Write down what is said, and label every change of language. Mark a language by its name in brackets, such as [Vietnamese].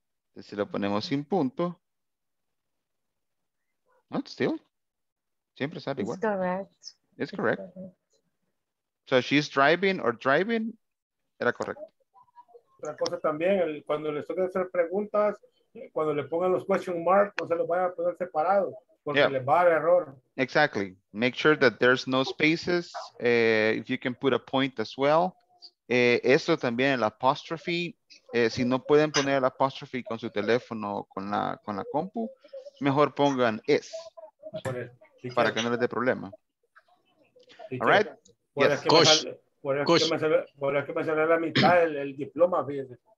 [Spanish] Entonces, si lo ponemos sin punto, no, still, siempre sale igual. [English] It's correct. It's correct. So she's driving or driving, [Spanish] era correcto. Otra cosa también, cuando les toque hacer preguntas, cuando le pongan los question marks, no se los vayan a poner separados. [English] Yeah. Exactly. Make sure that there's no spaces. If you can put a point as well. [Spanish] Eso también, el apostrophe. Si no pueden poner el apostrophe con su teléfono o con la compu, mejor pongan es. Para que no les dé problema. [English] All right. Yes. Coach, [Spanish] Por eso que me salió la mitad del el diploma, fíjense.